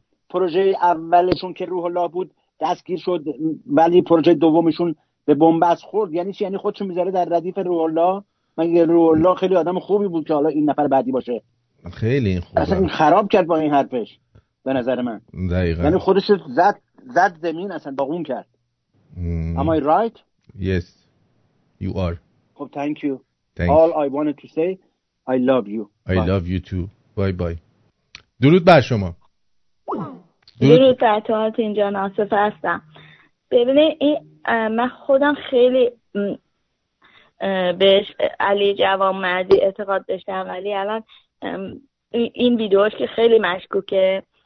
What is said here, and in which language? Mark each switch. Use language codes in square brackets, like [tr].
[fa] پروژه اولشون که روح الله بود دستگیر شد، ولی پروژه دومشون به بنبست خورد. یعنی چی؟ یعنی خودشو میذاره در ردیف روح الله؟ مگه روح الله خیلی آدم خوبی بود که حالا این نفر بعدی باشه؟ خیلی خوبه. اصلا این خراب کرد با این حرفش به نظر من. دقیقاً. یعنی خودش زد زمین، اصلا داغون کرد. [en] Am I right? Yes. You are. خب thank you. Thanks. All I wanted to say, I love you. Bye. I love you too. Bye bye. [fa] درود بر شما. درود بر تو آرتین جان، آصف هستم. ببینه این من خودم خیلی بهش علی جوانمردی اعتقاد داشتم، ولی الان این ویدیوش که خیلی مشکوکه.